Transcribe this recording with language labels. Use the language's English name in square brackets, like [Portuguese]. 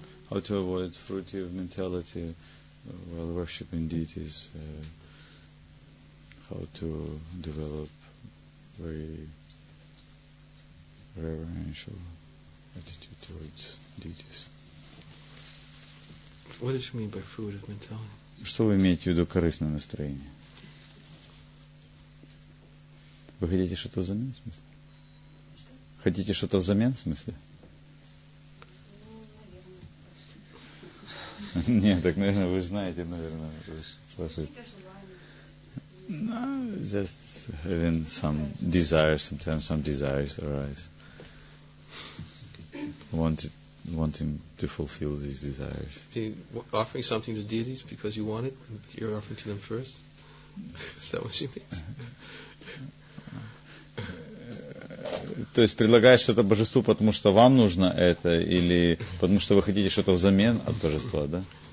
[English] How to avoid fruity mentality while worshipping deities, how to develop very reverential attitude towards deities. What does she mean by fruity mentality? [Russian] Что вы имеете в виду корыстное настроение? Вы хотите что-то взамен, в смысле? Хотите что-то взамен, в смысле? Нет, так, наверное, вы знаете, наверное, ваши... [English] No, just having some desires, sometimes some desires arise. Wanting to fulfill these desires. Offering something to deities because you want it, you're offering to them first? Is that what she means? [Russian] То есть предлагаешь что-то божеству, потому что вам нужно это, или потому что вы хотите что-то взамен от божества, да?